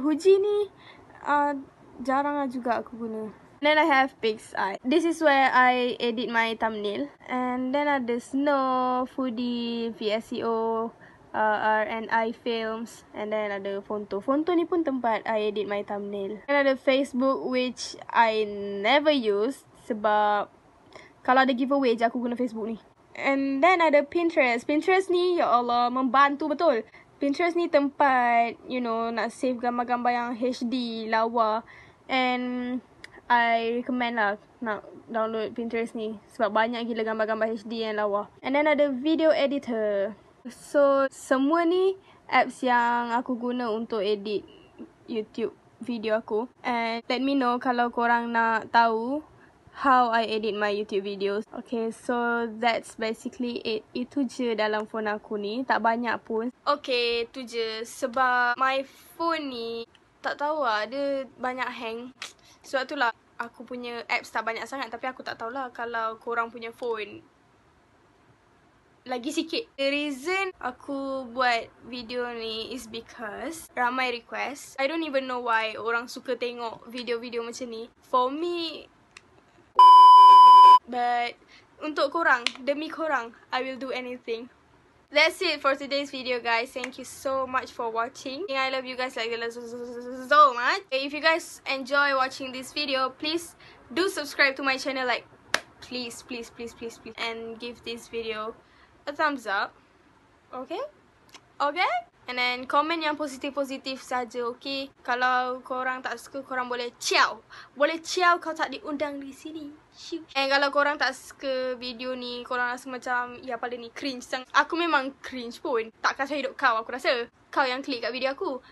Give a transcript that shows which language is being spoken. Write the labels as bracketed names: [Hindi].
[Malay] Huji ni jarang lah juga aku guna. [English] Then I have PixEye. This is where I edit my thumbnail. And then [Malay] ada [English] Snow, Foodie, VSCO, R&I Films. And then [Malay] ada [English] Fonto. [Malay] Fonto ni pun tempat [English] I edit my thumbnail. [Malay] Then ada Facebook [English] which I never use [Malay] sebab kalau ada giveaway je aku guna Facebook ni. [English] And then [Malay] ada Pinterest. Pinterest ni, ya Allah, membantu betul. Pinterest ni tempat, [English] you know, [Malay] nak save gambar-gambar yang HD, lawa. [English] And I recommend [Malay] lah nak [English] download Pinterest [Malay] ni. Sebab banyak gila gambar-gambar HD yang lawa. [English] And then ada video editor. So, [Malay] semua ni apps yang aku guna untuk edit YouTube video aku. [English] And let me know [Malay] kalau korang nak tahu [English] how I edit my YouTube videos. Okay, so that's basically it. [Malay] Itu je dalam phone aku ni. Tak banyak pun. Okay, tu je. Sebab [English] my phone [Malay] ni tak tahu lah. Dia banyak hang. Sebab tu lah aku punya apps tak banyak sangat. Tapi aku tak tahulah kalau korang punya phone lagi sikit. [English] The reason [Malay] aku buat video ni [English] is because [Malay] ramai [English] request. I don't even know why [Malay] orang suka tengok video-video macam ni. [English] For me, but [Malay] untuk korang, demi korang, [English] I will do anything. That's it for today's video guys. Thank you so much for watching. I love you guys like so much. If you guys enjoy watching this video, please do subscribe to my channel. Like please. And give this video a thumbs up. Okay? Okay? And then [Malay] komen yang positif-positif saja, [English] okay? [Malay] Kalau korang tak suka, korang boleh ciao. Boleh ciao kau tak diundang di sini. And kalau korang tak suka video ni, korang rasa macam, ya pada ni, cringe. Aku memang cringe pun. Tak kacau hidup kau, aku rasa. Kau yang klik kat video aku.